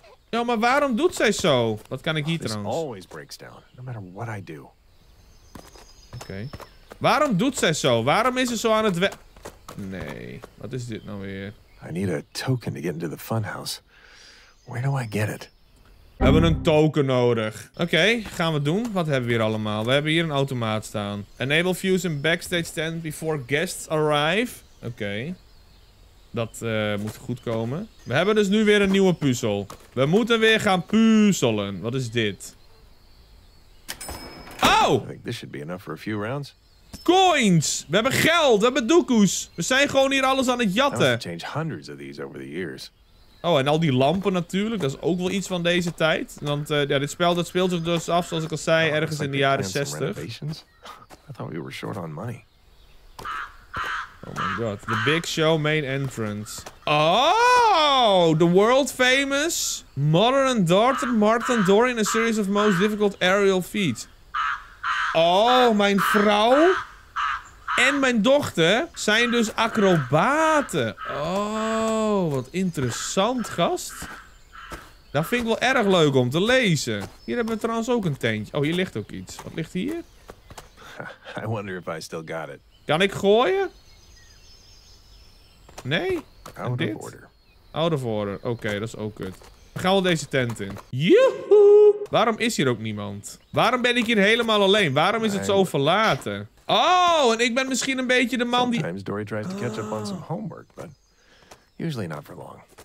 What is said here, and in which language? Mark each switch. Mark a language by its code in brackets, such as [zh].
[nl] Ja, maar waarom doet zij zo? Wat kan ik hier trouwens? [en] Always breaks down, no matter what I do. [nl] Oké. Waarom doet zij zo? Waarom is ze zo aan het we... Nee, wat is dit nou weer? [en] I need a token to get into the funhouse. Where do I get it? [nl] We hebben een token nodig. Oké, gaan we doen. Wat hebben we hier allemaal? We hebben hier een automaat staan. [en] Enable fuse in backstage tent before guests arrive. Oké. [nl] Dat moet goed komen. We hebben dus nu weer een nieuwe puzzel. We moeten weer gaan puzzelen. Wat is dit? Oh! [en] I think this should be enough for a few rounds. Coins! [nl] We hebben geld! We hebben doekoes! We zijn gewoon hier alles aan het jatten. [en] I've changed hundreds of these over the years. [nl] Oh, en al die lampen natuurlijk. Dat is ook wel iets van deze tijd. Want ja, dit spel dat speelt zich dus af, zoals ik al zei, ergens in de jaren 60. [en] I thought we were short on money. Oh my god. The Big Show main entrance. Oh! The world famous modern darted Martin Dory in a series of most difficult aerial feats. [nl] Oh, mijn vrouw en mijn dochter zijn dus acrobaten. Oh, wat interessant, gast. Dat vind ik wel erg leuk om te lezen. Hier hebben we trouwens ook een tentje. Oh, hier ligt ook iets. Wat ligt hier? [en] I wonder if I still got it. [nl] Kan ik gooien? Nee? [en] Out of order. Out of order. [nl] Oké, dat is ook kut. We gaan wel deze tent in. Joehoe! Waarom is hier ook niemand? Waarom ben ik hier helemaal alleen? Waarom is het zo verlaten? Oh, en ik ben misschien een beetje de man die... [en] Sometimes Dory tries to catch up on some homework, but usually not for long.